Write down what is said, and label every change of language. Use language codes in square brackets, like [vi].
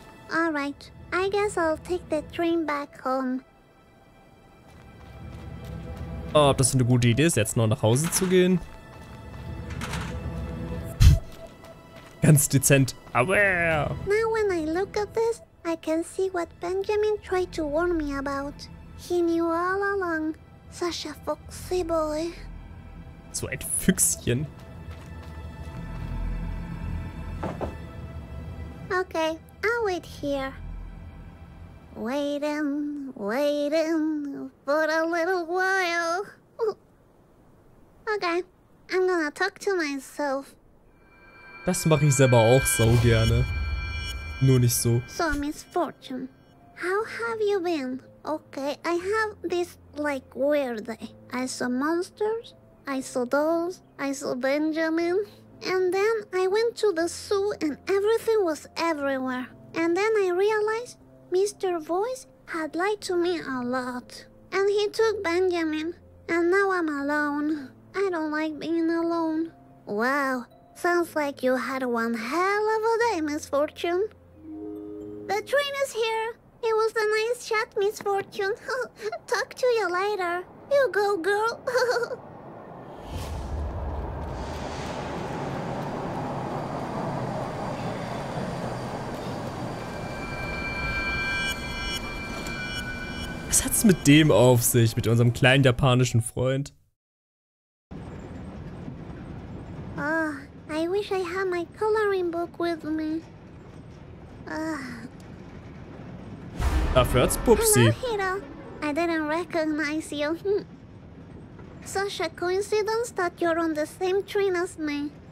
[en] Alright, I guess I'll take the train back home. [de] Oh, ob das eine gute Idee ist, jetzt noch nach Hause zu gehen? Ganz dezent. Aber. [en] Now when I look at this, I can see what Benjamin tried to warn me about. He knew all along. Such a foxy boy. [de] So ein Füchschen. [en] Okay, I'll wait here. Waiting, waiting for a little while. Okay, I'm gonna talk to myself. [de] Das mache ich selber auch so gerne. Nur nicht so. [en] So, Miss Fortune, how have you been? Okay, I have this, like, weird day. I saw monsters, I saw dolls, I saw Benjamin. And then I went to the zoo and everything was everywhere. And then I realized Mr. Voice had lied to me a lot. And he took Benjamin. And now I'm alone. I don't like being alone. Wow, sounds like you had one hell of a day, Miss Fortune. The train is here. It was a nice chat, Miss Fortune. Talk to you later. You go, girl. [de] Was hat's mit dem auf sich, mit unserem kleinen japanischen Freund? [en] Oh, I wish I had my coloring book with me. [de] Dafür hat's Pupsi. [en] Hello, Hiro. I didn't recognize you. Such a coincidence that you're on the same train as me.